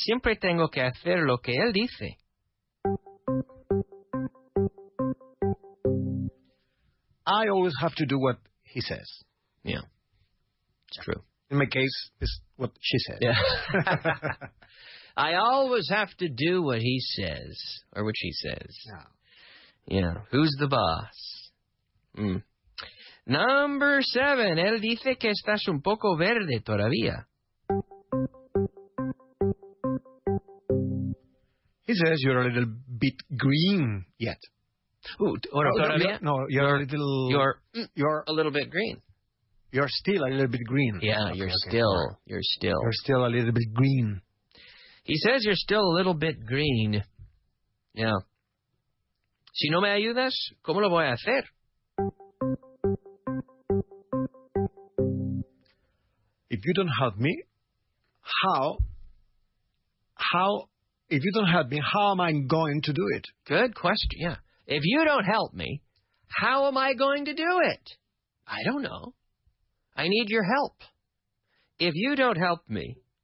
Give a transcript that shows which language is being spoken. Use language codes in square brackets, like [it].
[es] Siempre tengo que hacer lo que él dice. [en] I always have to do what he says. Yeah. It's true. In my case, it's what she said. Yeah. I always have to do what he says. Or what she says. Yeah. Who's the boss? Number seven. [es] Él dice que estás un poco verde todavía. [en] He says you're a little bit green yet. You're a little bit green. You're still a little bit green. You're still a little bit green. He says you're still a little bit green. Yeah. [es] Si no me ayudas, ¿cómo lo voy a hacer? [en] If you don't help me, how am I going to do it? Good question, yeah. If you don't help me, how am I going to do it? I don't know. I need your help. If you don't help me,